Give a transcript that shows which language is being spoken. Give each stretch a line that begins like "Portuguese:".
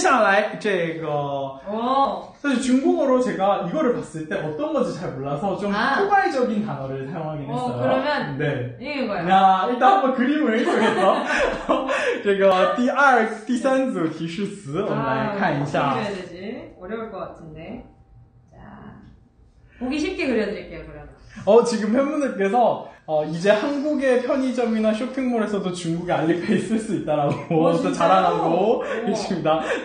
Chinese: 然后这个恩迪也是给恩迪安利了一下我们的这个支付宝啊无人钱包系统接下来这个哦但是
Korean: 중국어로 네. 제가 이거를 봤을 때 어떤 건지 잘 몰라서 좀 아. 포괄적인 단어를 사용하긴 했어요. 그러면 네 이거야. 야 일단 한번 그림을 보겠어.
Chinese: 这个第三组提示词我们来看一下
Korean: 어떻게 해야 되지? 어려울 것 같은데. 자 보기 쉽게 그려드릴게요 그러면. 지금 팬분들께서 이제 한국의 편의점이나 쇼핑몰에서도 중국의 알리페이 쓸 수 있다라고 또 자랑하고 있습니다.